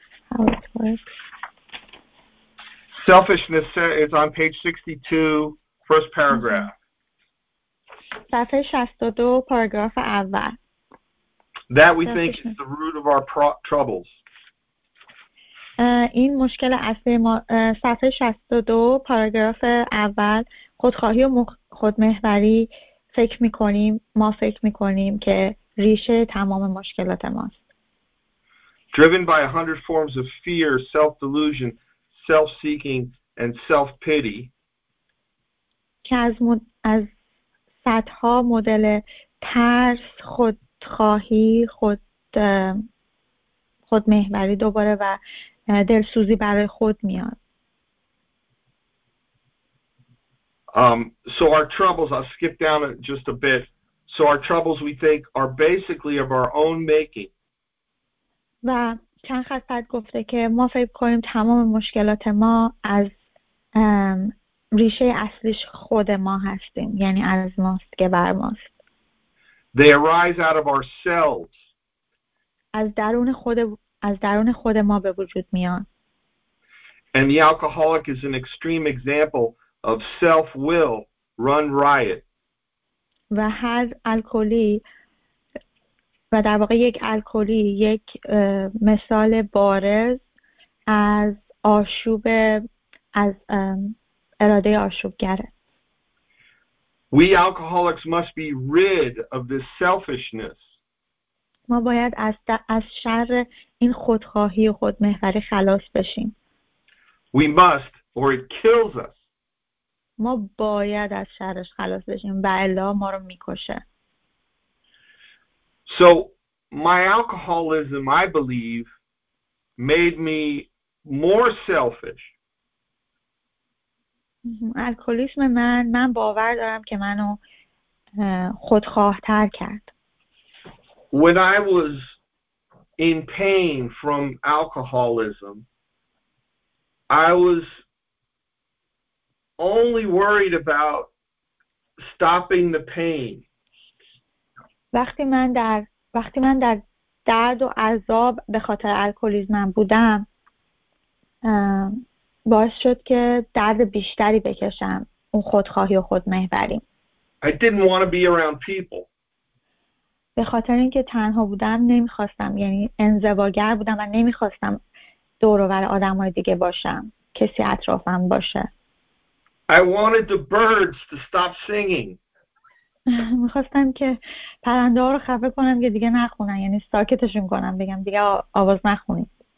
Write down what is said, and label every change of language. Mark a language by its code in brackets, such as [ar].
[en] How It Works. Selfishness, it's on page 62, first paragraph. Mm-hmm. [fa] صفحه 62 پاراگراف اول. [en] That we think is the root of our troubles. [fa] این مشکل اصلی ما صفحه 62 پاراگراف اول خودخواهی و خودمحوری فکر می‌کنیم ما فکر می‌کنیم که ریشه تمام مشکلات ماست. [en] Driven by 100 forms of fear, self-delusion, self-seeking and self-pity. [fa] از صدها مدل ترس، خودخواهی، خودمحوری دوباره و دلسوزی برای خود میاد. [en] So our troubles, I'll skip down just a bit. So our troubles we think are basically of our own making. [fa] و چند خط بعد گفته که ما فکر کنیم تمام مشکلات ما از ریشه اصلیش خود ما هستیم یعنی از ماست که بر ماست. [en] They arise out of ourselves. [fa] از درون خود ما به وجود میان. [en] And the alcoholic is an extreme example of self-will run riot. [fa] و هر الکلی و در واقع یک الکلی یک مثال بارز از آشوب از اراده آشوبگره. [en] We alcoholics must be rid of this selfishness. [fa] ما باید از شر این خودخواهی و خودمحوری خلاص بشیم. [en] We must, or it kills us. [fa] ما باید از شرش خلاص بشیم و الا ما رو میکشه. [en] So my alcoholism, I believe, made me more selfish. [fa] الکلیسم من باور دارم که منو خودخواه تر کرد. [en] When I was in pain from alcoholism, I was only worried about stopping the pain. [fa] وقتی من در درد و عذاب به خاطر الکلیزمم بودم باعث شد که درد بیشتری بکشم اون خودخواهی و خودمحوری. [en] I didn't want to be around people. [fa] به خاطر اینکه تنها بودم نمیخواستم، یعنی انزواگر بودم و نمیخواستم دور و بر آدم های دیگه باشم، کسی اطرافم باشه. [en] I wanted the birds to stop singing. [fa] میخواستم که پرنده ها رو خفه کنم که دیگه نخونن، یعنی ساکتشون کنم، بگم دیگه آواز نخونید.